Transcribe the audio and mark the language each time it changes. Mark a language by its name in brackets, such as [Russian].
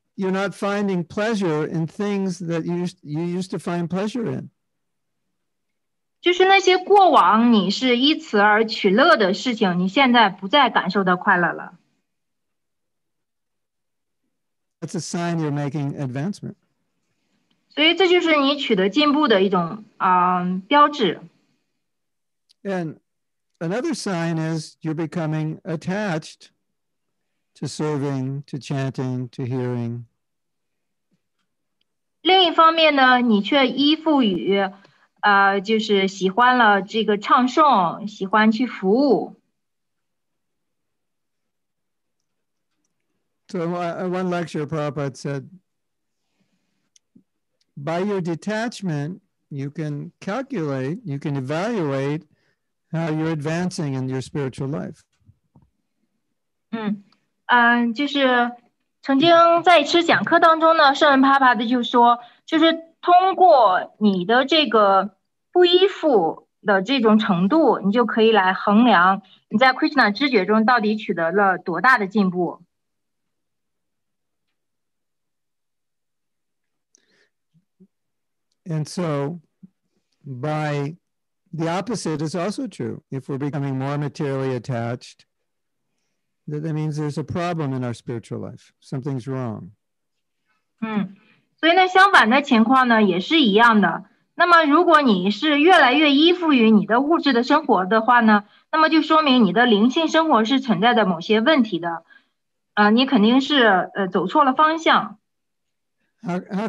[English] not finding pleasure in things that you used to find pleasure in. [Chinese] 就是那些过往你是以此而取乐的事情，你现在不再感受到快乐了。 [English] That's a sign you're making advancement. [Chinese] 所以这就是你取得进步的一种标志。 [English] And another sign is you're becoming attached to serving, to chanting, to hearing. [Chinese] 另一方面呢，你却依附于 就是喜欢了这个唱诵，喜欢去服务。 [English] So one lecture, Prabhupada said, by your detachment, you can calculate, you can evaluate how you're advancing in your spiritual life. [Chinese] 就是曾经在一次讲课当中呢，圣人帕帕的就说，就是通过你的这个 不依附的这种程度，你就可以来衡量你在Krishna知觉中到底取得了多大的进步。 [English] And so, by the opposite is also true. If we're becoming more materially attached, That means there's a problem in our spiritual life. Something's wrong. [Chinese] 所以呢，相反的情况呢，也是一样的。那么，如果你是越来越依附于你的物质的生活的话呢，那么就说明你的灵性生活是存在的某些问题的，你肯定是走错了方向。 [English] How